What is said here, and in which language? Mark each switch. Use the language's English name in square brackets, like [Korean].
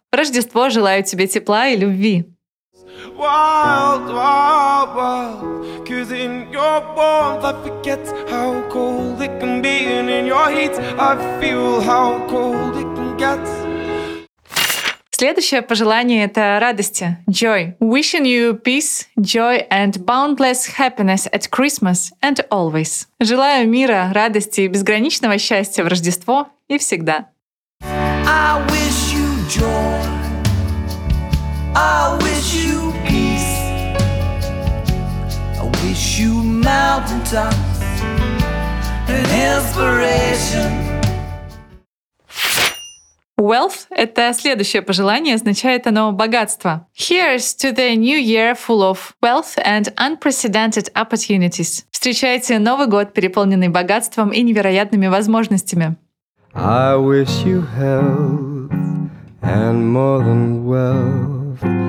[Russian] В Рождество желаю тебе тепла и любви. [English] Wild, wild, wild. 'Cause in your warmth I forget how cold it can be. And in your heat I feel how cold it can get. [Russian] Следующее пожелание – это радости. [English] Joy. Wishing you peace, joy and boundless happiness at Christmas and always. [Russian] Желаю мира, радости и безграничного счастья в Рождество и всегда. [English] I wish you joy. I wish you peace. I wish you mountaintops and inspiration. [Russian] Wealth – это следующее пожелание, означает оно богатство. [English] Here's to the new year full of wealth and unprecedented opportunities. [Russian] Встречайте Новый год, переполненный богатством и невероятными возможностями. [English] I wish you health and more than wealth.